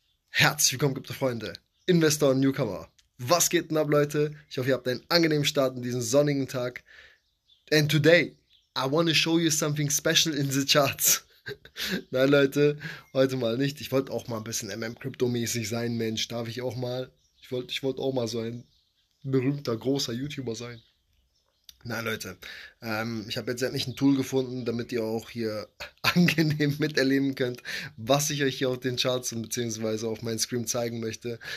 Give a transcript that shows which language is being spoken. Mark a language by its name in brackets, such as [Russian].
[German] Herzlich willkommen, geliebte Freunde, Investor und Newcomer. Was geht denn ab, Leute? Ich hoffe, ihr habt einen angenehmen Start in diesen sonnigen Tag. [English] And today, I want to show you something special in the charts. [German] Nein, Leute, heute mal nicht. Ich wollte auch mal ein bisschen MM-Crypto-mäßig sein, Mensch. Darf ich auch mal? Ich wollte auch mal so ein berühmter, großer YouTuber sein. Nein, Leute, ich habe jetzt endlich ein Tool gefunden, damit ihr auch hier angenehm miterleben könnt, was ich euch hier auf den Charts und beziehungsweise auf meinem Screen zeigen möchte.